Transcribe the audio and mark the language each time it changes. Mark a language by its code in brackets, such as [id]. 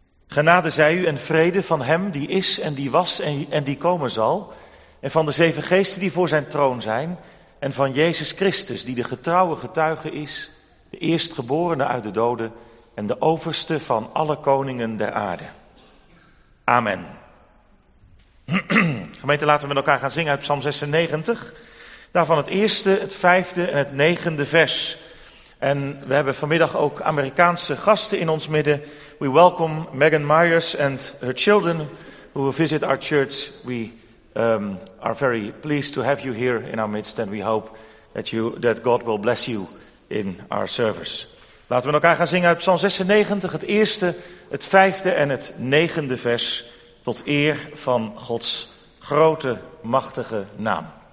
[nl] Genade zij u en vrede van hem die is en die was en die komen zal, en van de zeven geesten die voor zijn troon zijn, en van Jezus Christus die de getrouwe getuige is, de eerstgeborene uit de doden en de overste van alle koningen der aarde. Amen. Gemeente, laten we met elkaar gaan zingen uit Psalm 96. Daarvan het eerste, het vijfde en het negende vers. En we hebben vanmiddag ook Amerikaanse gasten in ons midden. [en] We welcome Megan Myers and her children who will visit our church. We are very pleased to have you here in our midst. And we hope that God will bless you in our service. [nl] Laten we elkaar gaan zingen uit Psalm 96, het eerste, het vijfde en het negende vers. Tot eer van Gods grote, machtige naam.